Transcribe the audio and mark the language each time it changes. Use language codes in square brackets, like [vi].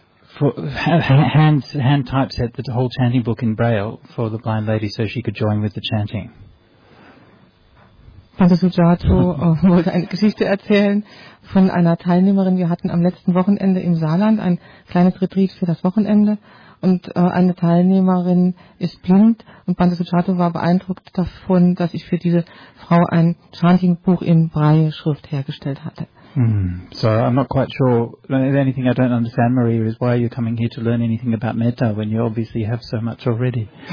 [en] Hand typeset the whole chanting book in Braille for the blind lady so she could join with the chanting. [de] Pante Suchato wollte eine Geschichte erzählen von einer Teilnehmerin. Wir hatten am letzten Wochenende im Saarland ein kleines Retreat für das Wochenende, und eine Teilnehmerin ist blind, und Pante Suchato war beeindruckt davon, dass ich für diese Frau ein Chanting-Buch in Braille-Schrift hergestellt hatte. [en] So I'm not quite sure. The only thing I don't understand, Maria, is why are you coming here to learn anything about Metta when you obviously have so much already?